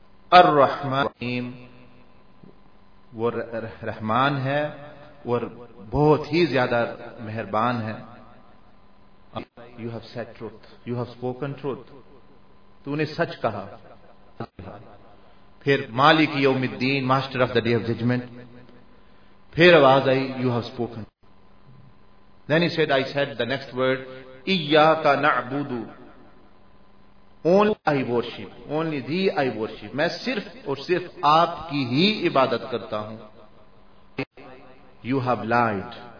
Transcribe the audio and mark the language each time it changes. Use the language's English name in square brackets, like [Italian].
[Arabic] الرحمن الرحیم, [Urdu] وہ رحمان ہے اور بہت ہی زیادہ مہربان ہے. [English] you have said truth, you have spoken truth, [Urdu] تو نے سچ کہا. [English] پھر [Arabic] مالک یوم الدین, [English] Master of the day of judgment. [Urdu] پھر آواز آئی, [English] You have spoken. Then he said, I said the next word, [Arabic] ایاک نعبد, [English] only I worship, only thee I worship, [Urdu] میں صرف اور صرف آپ کی ہی عبادت کرتا ہوں. [English] You have lied.